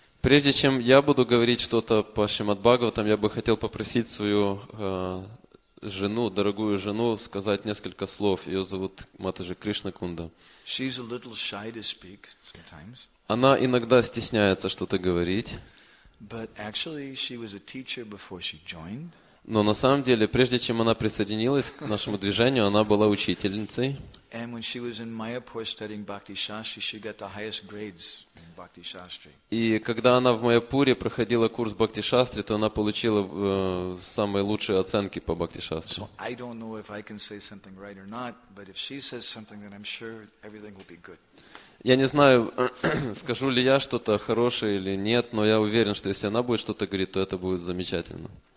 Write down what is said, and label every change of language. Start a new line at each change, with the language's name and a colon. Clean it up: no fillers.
Russian: Прежде чем я буду говорить что-то по Шримад Бхагаватам, я бы хотел попросить свою жену, дорогую жену, сказать несколько слов. Ее зовут Матаджи Кришна Кунда.
English: She's a little shy to speak sometimes.
Russian: Она иногда стесняется что-то говорить.
English: But actually, she was a teacher before she joined.
Russian: Но на самом деле, прежде чем она присоединилась к нашему движению, она была учительницей.
English: And when she was in Mayapur studying Bhakti Shastri, she got the highest grades in Bhakti Shastri.
Russian: И когда она в Майяпуре проходила курс Бхакти Шастри, то она получила самые лучшие оценки по Бхакти Шастри.
English: So I don't know if I can say something right or not, but if she says something, then I'm sure everything will be good.
Russian: Я не знаю, скажу ли я что-то хорошее или нет, но я уверен, что если она будет что-то говорить, то это будет замечательно.